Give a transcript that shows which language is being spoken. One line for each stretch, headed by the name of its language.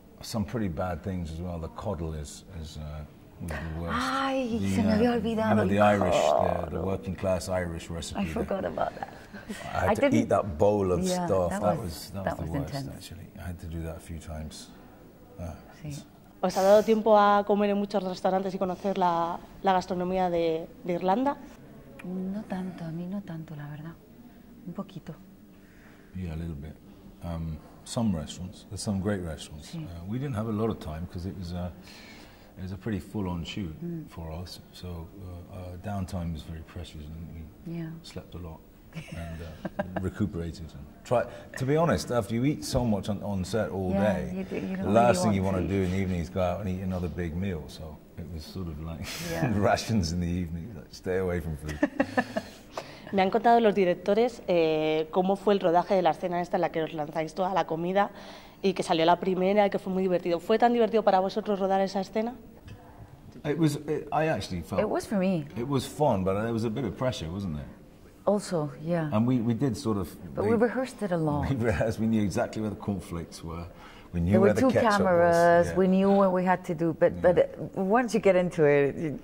English: Some pretty bad things as well. The coddle is the worst.
Spanish: Ay, se me había olvidado.
English: Remember the Irish, the working class Irish recipe. I forgot about that. I had to eat that bowl of stuff. That was the worst, actually. I had to do that a few times.
Spanish: Sí. ¿Os ha dado tiempo a comer en muchos restaurantes y conocer la gastronomía de Irlanda? No tanto, a mí no tanto, la verdad. Un poquito.
English: Yeah, a little bit. Some restaurants, there's some great restaurants.
Spanish: Sí.
English: We didn't have a lot of time because it was a pretty full-on shoot for us. So downtime is very precious, and we slept a lot. And recuperated and try to be honest, after you eat so much on set all day, the last thing you want to do in the evening is go out and eat another big meal. So it was sort of like rations in the evening, like stay away from food.
Spanish: Me han contado los directores cómo fue el rodaje de la escena esta en la que os lanzáis toda la comida y que salió la primera y que fue muy divertido. ¿Fue tan divertido para vosotros rodar esa escena?
English: It was fun, but there was a bit of pressure, wasn't there? Also, yeah. And we did sort of... But we rehearsed it a lot. We rehearsed, we knew exactly where the conflicts were. We knew there where the ketchup was. There were two cameras, we knew what we had to do, but once you get into it...